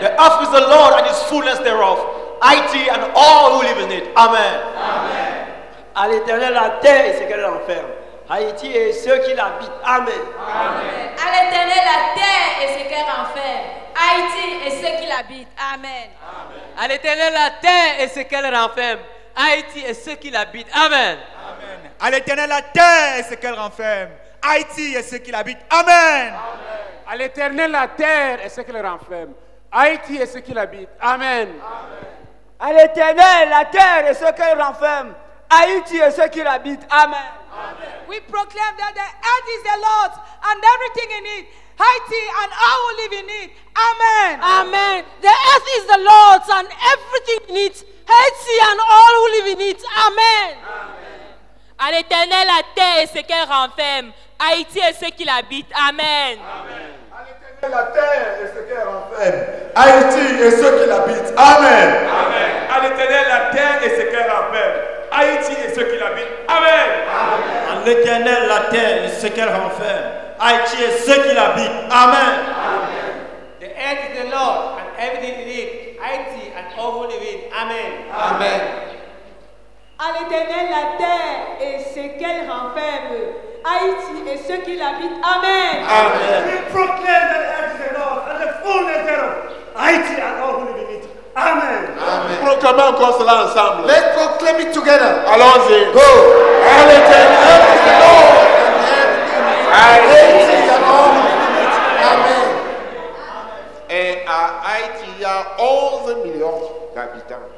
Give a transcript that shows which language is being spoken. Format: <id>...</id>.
<en>The earth is the Lord and his fullness thereof. Haïti and all who live in it. Amen. Amen.</en> <fr>À l'Éternel la terre et ce qu'elle renferme. Haïti et ceux qui l'habitent. Amen. Amen. À l'Éternel la terre et ce qu'elle renferme. Haïti et ceux qui l'habitent. Amen. Amen. À l'Éternel la terre et ce qu'elle renferme. Haïti et ceux qui l'habitent. Amen. Amen. À l'Éternel la terre et ce qu'elle renferme. Haïti et ceux qui l'habitent. Amen. Amen. À l'Éternel la terre et ceux qui le renferment. Haïti et ceux qui l'habitent. Amen. Amen. À l'Éternel la terre et ceux qui le renferment. Haïti et ceux qui l'habitent. Amen. Amen.</fr> <en>We proclaim that the earth is the Lord's and everything in it. Haiti and all who live in it. Amen. Amen. The earth is the Lord's and everything in it. Haiti and all who live in it. Amen. Amen.</en> <fr>À l'Éternel la terre et ce qu'elle renferme, Haïti et ceux qui l'habitent. Amen. Amen. À l'Éternel la terre et ce qu'elle renferme, Haïti et ceux qui l'habitent. Amen. Amen. À l'Éternel la terre et ce qu'elle renferme, Haïti et ceux qui l'habitent. Amen. Amen. À l'Éternel la terre et ce qu'elle renferme, Haïti et ceux qui l'habitent. Amen. Amen.</fr> <en>The earth is the Lord and everything in it, Haïti and all who live in it. Amen. Amen.</en> <fr>À l'Éternel la terre et ce qu'elle renferme, Haïti et ceux qui l'habitent. Amen. Amen.</fr> <en>We proclaim the earth is the Lord and the fullness thereof, Haïti and all who live in it. Amen.</en> <fr>Amen. Proclamons encore cela ensemble.</fr> <en>Let's proclaim it together.</en> <fr>Allons-y.</fr> <en>Go.</en> <fr>À l'Éternel la terre et ce qu'elle renferme, Amen. Et à Haïti, il y a 11 millions d'habitants.</fr>